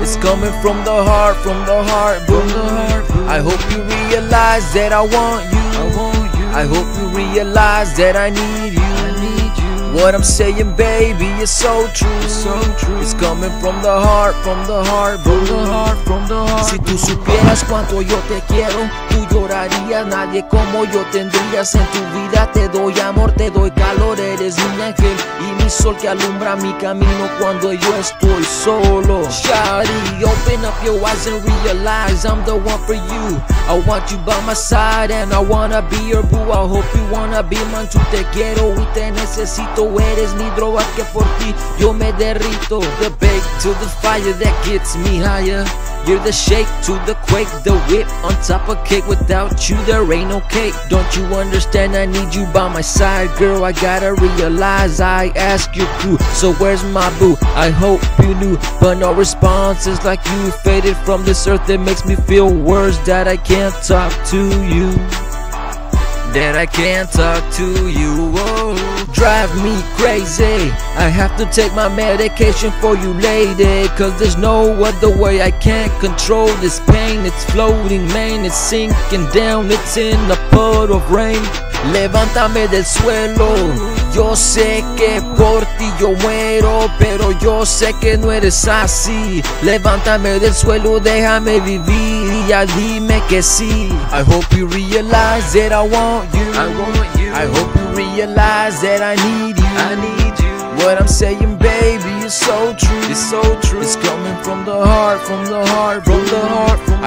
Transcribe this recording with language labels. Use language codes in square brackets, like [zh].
[en] It's coming from the heart, from the heart. From the heart. I hope you realize that I want you. I want you. I hope you realize that I need you. I need you. What I'm saying, baby, is so true. It's so true. It's coming from the heart, from the heart. From the heart, from the heart. [es] Si tú supieras cuánto yo te quiero, tú llorarías. Nadie como yo tendrías en tu vida. Te doy amor, te doy calor. Eres mi ángel y mi sol que alumbra mi camino cuando yo estoy solo. [en] Shawty, open up your eyes and realize I'm the one for you. I want you by my side and I wanna be your boo. I hope you wanna be mine too. [es] Te quiero y te necesito. Eres mi droga que por ti yo me derrito. [en] The bake to the fire that gets me higher. You're the shake to the quake. The whip on top of cake. Without you there ain't no cake. Don't you understand I need you by my side. Girl, I gotta realize I ask your crew. So where's my boo? I hope you knew. But no responses like you faded from this earth. It makes me feel worse that I can't talk to you. That I can't talk to you. Oh, drive me crazy. I have to take my medication for you, lady. Cause there's no other way. I can't control this pain. It's floating, man. It's sinking down. It's in a puddle of rain. [es] Levántame del suelo. Yo sé que por ti yo muero. Pero yo sé que no eres así. Levántame del suelo. Déjame vivir. Y ya dime que sí. [en] I hope you realize that I want you. I want you. I hope you realize that I need you. I need you. What I'm saying, baby, is so true. It's so true. It's coming from the heart, from the heart. From the heart, from the